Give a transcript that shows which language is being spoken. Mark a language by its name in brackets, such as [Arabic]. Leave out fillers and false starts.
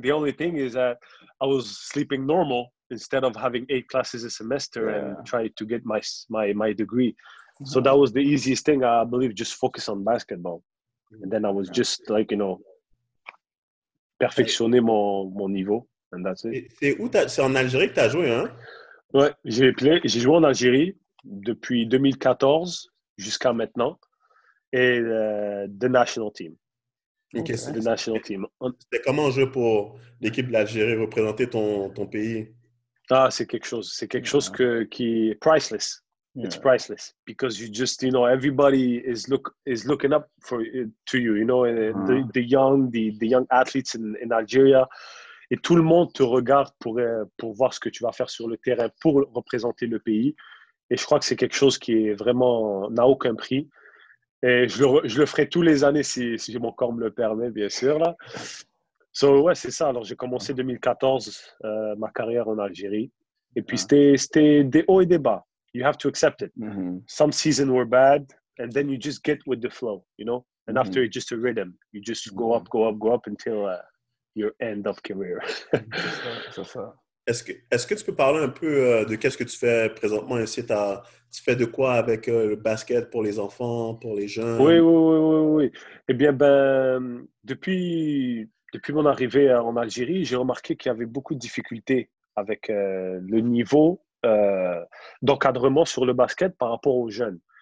[English] The only thing is that I was sleeping normal instead of having 8 classes a semester and try to get my degree. Mm-hmm. So that was the easiest thing, I believe, just focus on basketball. Mm-hmm. And then I was just like, you know, [French] perfectionner mon niveau, [English] and that's it. [French] C'est en Algérie que tu as joué, hein? Ouais, j'ai joué en Algérie depuis 2014 jusqu'à maintenant. [English] Et the national team. Okay. The national team. [French] C'était comment jouer pour l'équipe de l'Algérie, représenter ton pays? Ah, c'est quelque chose. C'est quelque chose qui est priceless. Yeah. [English] It's priceless because you just, you know, everybody is looking up to you, you know, the young athletes in Algeria, [French] et tout le monde te regarde pour voir ce que tu vas faire sur le terrain pour représenter le pays. Et je crois que c'est quelque chose qui est vraiment, n'a aucun prix. Et je le ferai tous les années si mon corps me le permet, bien sûr, là. [English] So, [French] ouais, c'est ça. Alors, j'ai commencé 2014, ma carrière en Algérie. Et puis, c'était des hauts et des bas. [English] You have to accept it. Mm-hmm. Some seasons were bad, and then you just get with the flow, you know? And mm-hmm. after, it's just a rhythm. You just go mm-hmm. up, go up, go up until your end of career. [French] Est-ce que tu peux parler un peu de qu'est-ce que tu fais présentement ici? Tu fais de quoi avec le basket pour les enfants, pour les jeunes? Oui. Eh bien, depuis mon arrivée en Algérie, j'ai remarqué qu'il y avait beaucoup de difficultés avec le niveau d'encadrement sur le basket par rapport aux jeunes.